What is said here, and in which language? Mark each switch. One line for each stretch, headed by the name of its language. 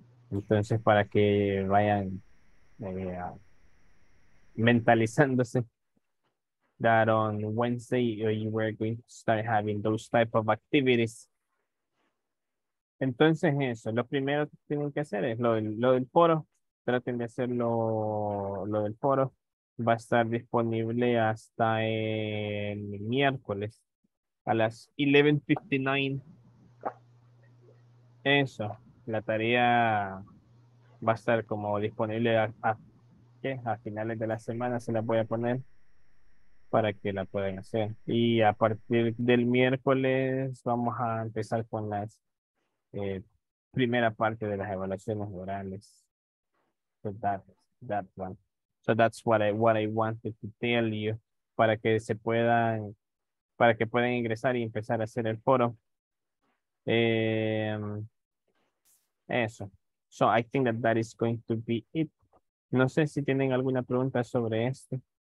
Spanish: Entonces, para que vayan mentalizándose,
English: that on Wednesday you were going to start having those type of activities.
Spanish: Entonces, eso, lo primero que tienen que hacer es lo del foro. Traten de hacer lo del foro. Va a estar disponible hasta el miércoles a las 11:59. Eso, la tarea va a estar como disponible a finales de la semana. Se la voy a poner para que la puedan hacer. Y a partir del miércoles vamos a empezar con las primera parte de las evaluaciones orales.
English: So that one. So that's what I wanted to tell you,
Spanish: para que se puedan, para que puedan ingresar y empezar a hacer el foro. Eso.
English: So I think that is going to be it.
Spanish: No sé si tienen alguna pregunta sobre esto.